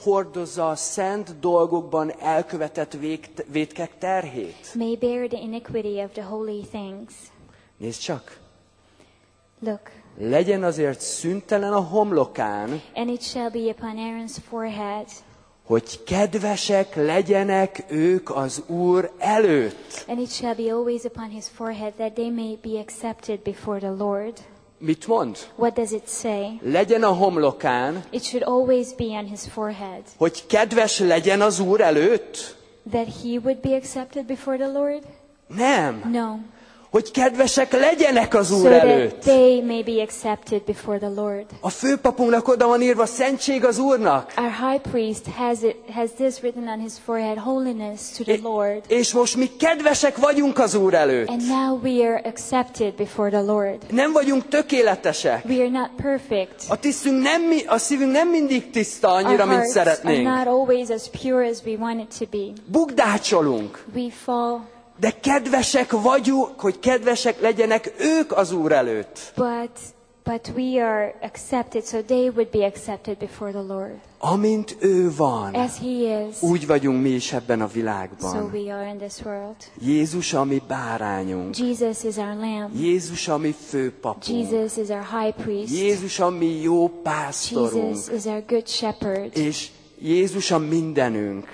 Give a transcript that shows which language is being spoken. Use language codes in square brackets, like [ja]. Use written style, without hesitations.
[hu] hordozza a szent dolgokban elkövetett vétkek terhét. [en] May bear the iniquity of the holy things. [hu] Nézd csak! [en] Look. [hu] Legyen azért szüntelen a homlokán, [en] and it shall be upon Aaron's forehead, [hu] hogy kedvesek legyenek ők az Úr előtt. [en] And it shall be always upon his forehead that they may be accepted before the Lord. [hu] Mit mond? [en] What does it say? [hu] Legyen a homlokán, [en] it should always be on his forehead, [hu] hogy kedves legyen az Úr előtt. [en] That he would be accepted before the Lord? [hu] Nem. [en] No. [hu] Hogy kedvesek legyenek az Úr [en] so that [hu] előtt. [en] They may be accepted before the Lord. [hu] A főpapunknak oda van írva szentség az Úrnak. [en] Our high priest has this written on his forehead, holiness to the Lord. [hu] És most mi kedvesek vagyunk az Úr előtt. [en] And now we are accepted before the Lord. [hu] Nem vagyunk tökéletesek. [en] We are not perfect. [hu] A szívünk nem mindig tiszta annyira, mint szeretnénk. [en] Our hearts are not always as pure as we want it to be. [hu] Bukdácsolunk. [en] We fall. [hu] De kedvesek vagyunk, hogy kedvesek legyenek ők az Úr előtt. [en] But we are accepted, so they would be accepted before the Lord. [hu] Amint ő van, [en] as he is, [hu] úgy vagyunk mi is ebben a világban. [en] So we are in this world. [hu] Jézus a mi bárányunk. [en] Jesus is our lamb. [hu] Jézus a mi főpapunk. [en] Jesus is our high priest. [hu] Jézus a mi jó pásztorunk. [en] Jesus is our good shepherd. [hu] És Jézus a mindenünk.